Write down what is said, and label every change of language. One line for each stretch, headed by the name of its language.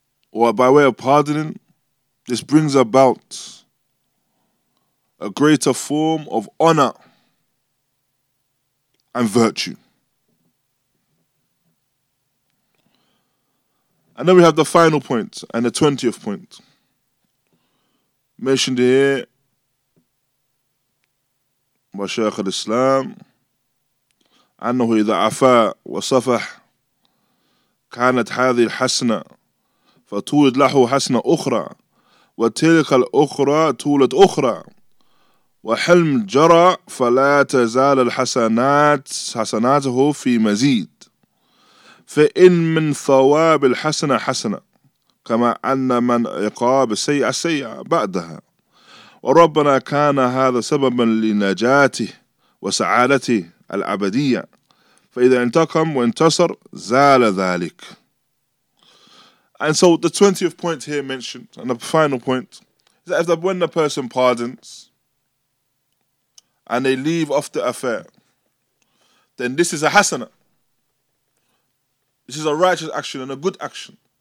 English: or by way of pardoning, this brings about a greater form of honor and virtue. And then we have the final point and the 20th point. Mentioned here by Shaykh al-Islam,
Arabic: أنه إذا عفا وصفح كانت هذه الحسنة فتولد له حسنة أخرى وتلك الأخرى تولد أخرى وحلم جرى فلا تزال الحسنات حسناته في مزيد فإن من ثواب الحسنة حسنة كما أن من عقاب سيئة سيئة بعدها وربنا كان هذا سببا لنجاته وسعادته الأبدية فإذا انتقم وانتصر زال ذلك.
English: And so the 20th point here mentioned, and the final point, is that when the person pardons and they leave off the affair, then this is a hasana. This is a righteous action and a good action.